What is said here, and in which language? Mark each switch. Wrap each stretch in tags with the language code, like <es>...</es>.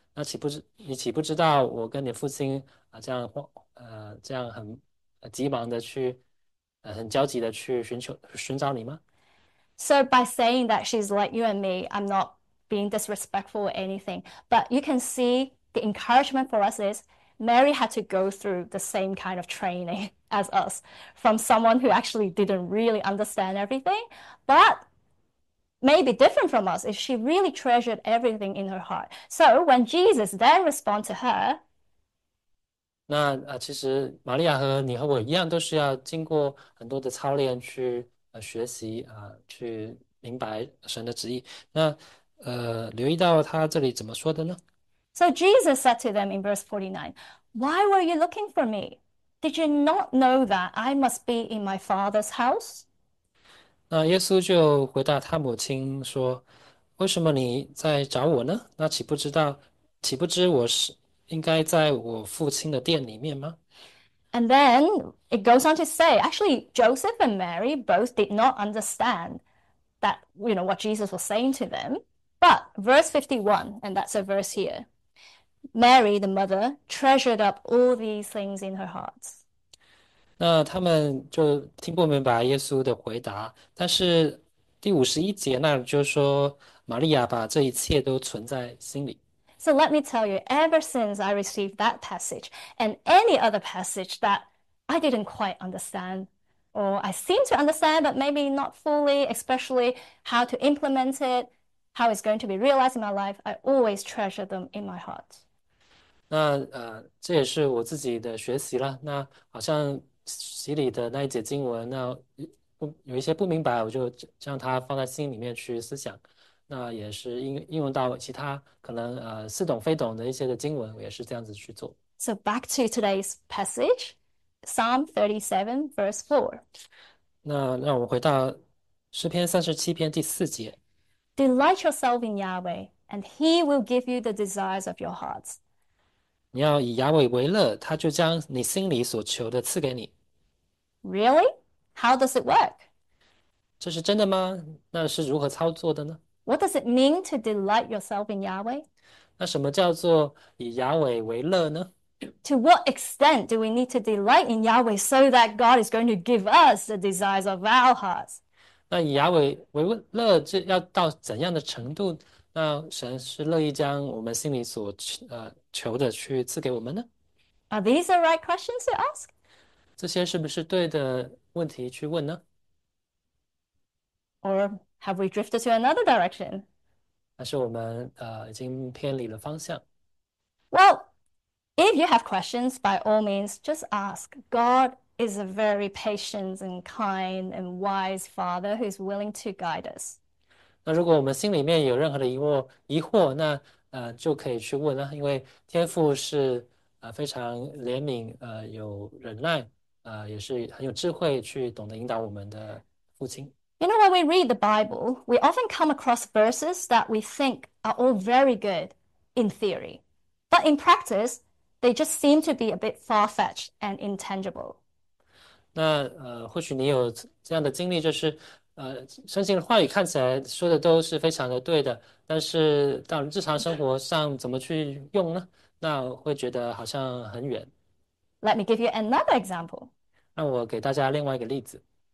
<zh>那岂不知你岂不知道我跟你父亲这样很急忙的去很焦急的去寻找你吗？</zh> <en>So by saying that she's like you and me, I'm not being disrespectful or anything. But you can see the encouragement for us is Mary had to go through the same kind of training as us from someone who actually didn't really understand everything, but maybe different from us if she really treasured everything in her heart. So when Jesus then responded to her,</en> <zh>那其实玛利亚和你和我一样，都是要经过很多的操练去学习去明白神的旨意。那留意到他这里怎么说的呢？</zh> <en>So Jesus said to them in verse 49, "Why were you looking for me? Did you not know that I must be in my father's house?"</en> <zh>那耶稣就回答他母亲说：“为什么你在找我呢？那岂不知道，岂不知我是？” 应该在我父亲的店里面吗？</zh> <en>And then it goes on to say, actually, Joseph and Mary both did not understand that, what Jesus was saying to them. But verse 51, and that's a verse here. Mary, the mother, treasured up all these things in her heart.</en> <zh>那他们就听不明白耶稣的回答，但是第51节那里就说，玛利亚把这一切都存在心里。</zh> <en>So let me tell you, ever since I received that passage and any other passage that I didn't quite understand, Or I seem to understand, but maybe not fully, especially how to implement it, how it's going to be realized in my life. I always treasure them in my heart.</en> <zh>那这也是我自己的学习了。那好像洗礼的那一节经文，那有一些不明白，我就将它放在心里面去思想。那也是应用到其他可能似懂非懂的一些的经文，我也是这样子去做。</zh> <en>So back to today's passage, Psalm 37, verse 4.</en> <zh>那让我们回到诗篇37篇第四节。</zh> <en>Delight yourself in Yahweh, and He will give you the desires of your hearts.</en> <zh>你要以雅伟为乐，他就将你心里所求的赐给你。</zh> <en>Really? How does it work?</en> <zh>这是真的吗？那是如何操作的呢？</zh> <en>What does it mean to delight yourself in Yahweh?</en> <zh>那什么叫做以雅伟为乐呢？</zh> <en>To what extent do we need to delight in Yahweh so that God is going to give us the desires of our hearts?</en> <zh>那以雅伟为乐，这要到怎样的程度？那神是乐意将我们心里所求的去赐给我们呢？</zh> <en>Are these the right questions to ask?</en> <zh>这些是不是对的问题去问呢？</zh> <en>Or have we drifted to another direction?</en> <zh>还是我们已经偏离了方向？</zh> <en>Well, if you have questions, by all means, just ask. God is a very patient and kind and wise Father who's willing to guide us.</en> <zh>那如果我们心里面有任何的疑惑，那就可以去问了，因为天父是非常怜悯有忍耐也是很有智慧去懂得引导我们的父亲。</zh> <en>You know, when we read the Bible, we often come across verses that we think are all very good in theory, but in practice, they just seem to be a bit far-fetched and intangible.</en> <zh>那或许你有这样的经历，就是。圣经的话语看起来说的都是非常的对的，但是到日常生活上怎么去用呢？那会觉得好像很远。</zh> <en>Let me give you another example.</en> <zh>让我给大家另外一个例子，</zh>